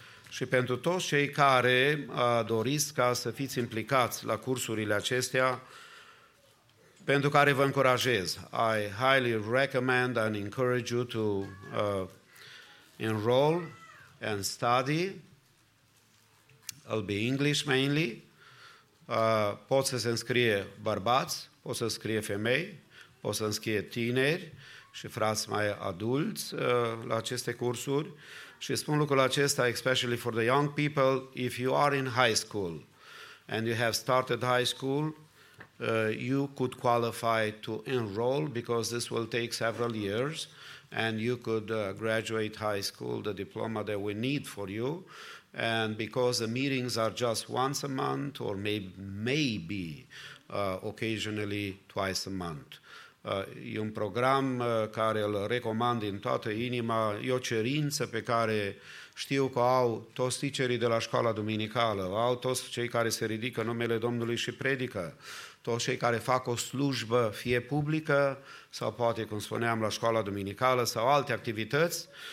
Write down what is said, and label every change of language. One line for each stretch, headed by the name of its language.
Romanian: Și pentru toți cei care doriți ca să fiți implicați la cursurile acestea, pentru care vă încurajez,
English: I highly recommend and encourage you to enroll and study. It'll be English mainly.
Romanian: Pot să se înscrie bărbați, pot să înscrie femei, pot să înscrie tineri și frați mai adulți la aceste cursuri. Și spun lucrul acesta,
English: especially for the young people, if you are in high school and you have started high school, you could qualify to enroll, because this will take several years and you could graduate high school, the diploma that we need for you. And because the meetings are just once a month or maybe occasionally twice a month.
Romanian: E un program care îl recomand din toată inima, e o cerință pe care știu că au toți ticerii de la școala duminicală, au toți cei care se ridică numele Domnului și predică, toți cei care fac o slujbă, fie publică, sau poate, cum spuneam, la școala duminicală, sau alte activități.